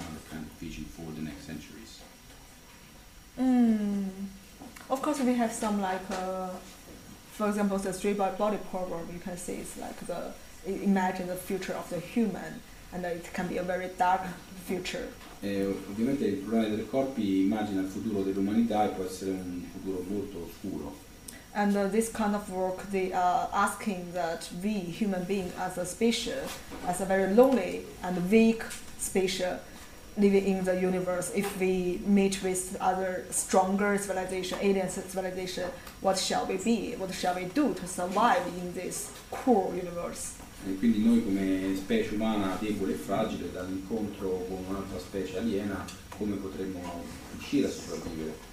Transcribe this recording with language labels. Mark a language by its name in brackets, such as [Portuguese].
[English] another kind of vision for the next centuries? Of course we have some for example, the Three Body Problem, you can see it's like the imagine the future of the human, and it can be a very dark future. [Italian] Ovviamente il problema dei corpi immagina il futuro dell'umanità e può essere un futuro molto oscuro. [English] And this kind of work, they are asking that we, human being, as a species, as a very lonely and weak species living in the universe, if we meet with other stronger civilization, alien civilization, what shall we be? What shall we do to survive in this cruel universe? [Italian] E quindi noi come specie umana debole e fragile dall'incontro con un'altra specie aliena, come potremmo uscire a sopravvivere?